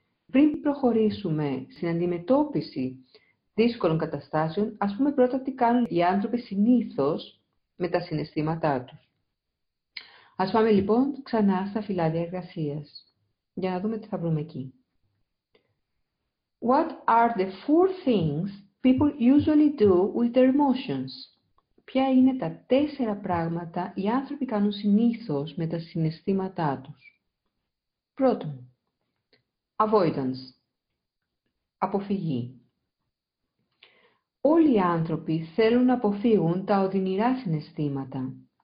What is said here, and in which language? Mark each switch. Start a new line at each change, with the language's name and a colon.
Greek: Πριν προχωρήσουμε στην αντιμετώπιση δύσκολων καταστάσεων, ας πούμε πρώτα τι κάνουν οι άνθρωποι συνήθως με τα συναισθήματά τους. Ας πάμε λοιπόν ξανά στα φυλάδια εργασίας, για να δούμε τι θα βρούμε εκεί.
English: What are the four things people usually do with their emotions?
Greek: Ποια είναι τα τέσσερα πράγματα οι άνθρωποι κάνουν συνήθως με τα συναισθήματά τους? Πρώτον, avoidance, αποφυγή. Όλοι οι άνθρωποι θέλουν να αποφύγουν τα οδυνηρά συναισθήματα.